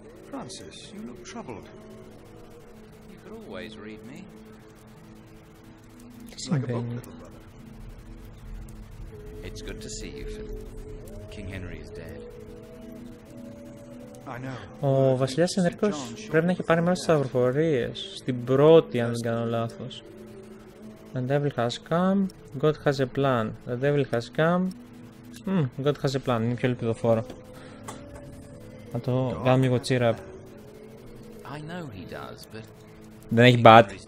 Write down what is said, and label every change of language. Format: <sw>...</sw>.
<en>Francis, you look troubled. You could always read me. It's like a book, little brother. It's good to see you, Philip. King Henry is dead. I know.</en> <el>Ο βασιλιάς Ενρικός πρέπει να έχει πάρει μέρος στις αυροφορίες. Στην πρώτη, αν δεν κάνω λάθος.</el> <en>The devil has come, God has a plan. The devil has come, God has a plan.</en> <el>Είναι πιο ελπιδοφόρο. Να το κάνω λίγο</el> <en>cheer up. I know he does, but</en> <el>δεν έχει bad.</el>